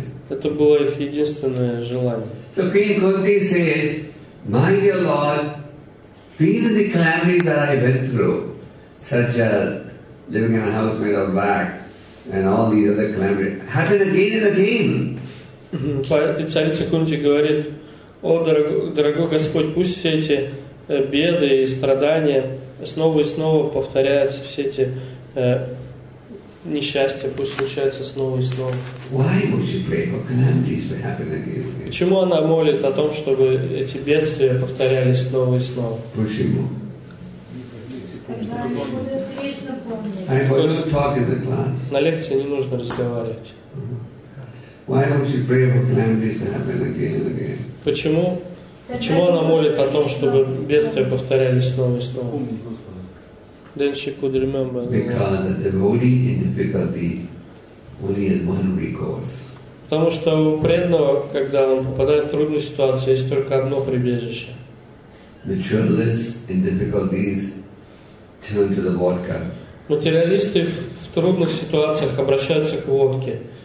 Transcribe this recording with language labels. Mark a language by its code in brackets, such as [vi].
[ru] Это было их единственное желание. [en] So King Kunti says, my dear Lord, these are the calamities that I went through, such as living in a house made of wax, and all these other calamities happen again and again. [ru] И царица Кунти говорит, о, дорогой Господь, пусть все эти беды и страдания снова и снова повторяются, все эти несчастья пусть случаются снова и снова. [en] Why would she pray for calamities to happen again? [ru] Почему она молит о том, чтобы эти бедствия повторялись снова и снова? Почему? [en] I wasn't talking in the class. [ru] На лекции не нужно разговаривать. [en] Why would she pray for calamities to happen again and again? [ru] Почему? Почему она молит о том, чтобы бедствия повторялись снова и снова? [en] Then she could remember. Because a devotee in difficulty only has one recourse. [ru] Потому что у преданного, когда он попадает в трудную ситуацию, есть только одно прибежище. [en] Materialists in difficulties turn to the vodka. [ru] Материалисты в трудных ситуациях обращаются к водке.